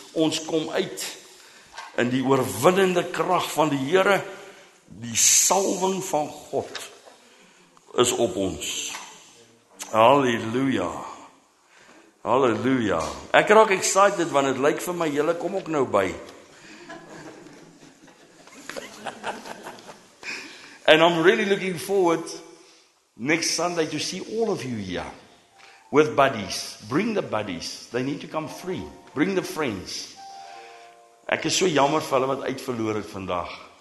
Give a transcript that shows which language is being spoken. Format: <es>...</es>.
<af>Ons kom uit in die oorwinnende krag van die Here. Die salwing van God is op ons. Halleluja. Halleluja. Ek raak excited want het lyk vir my, julle kom ook nou by.</af> <en>And I'm really looking forward next Sunday to see all of you here with buddies. Bring the buddies. They need to come free. Bring the friends.</en> <af>Ek is so jammer vir hulle wat uit verloor het vandag.</af>